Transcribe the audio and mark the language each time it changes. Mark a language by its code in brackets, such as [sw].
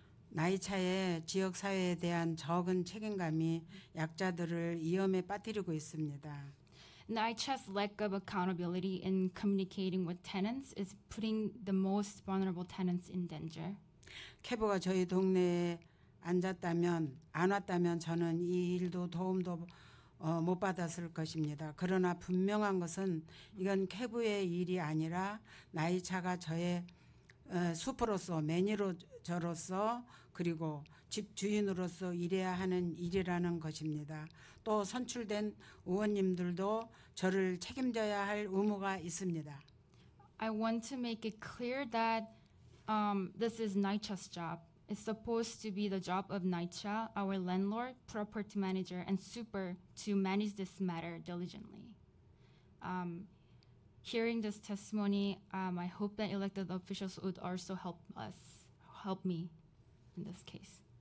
[ko] 나이 차에 지역 사회에 대한 적은 책임감이 약자들을 위험에 빠뜨리고 있습니다. [en] NYCC's lack of accountability in communicating with tenants is putting the most vulnerable tenants in danger. [ko] 캐브가 저희 동네에 앉았다면 안 왔다면 저는 이 일도 도움도 못 받았을 것입니다. 그러나 분명한 것은 이건 캐브의 일이 아니라 나이차가 저의 수퍼로서 매니저로서 그리고 집주인으로서 일해야 하는 일이라는 것입니다. 또 선출된 의원님들도 저를 책임져야 할 의무가 있습니다. [en] I want to make it clear that this is NYCC's job. It's supposed to be the job of NYCC, our landlord, property manager, and super to manage this matter diligently. Hearing this testimony, I hope that elected officials would also help us, help me in this case.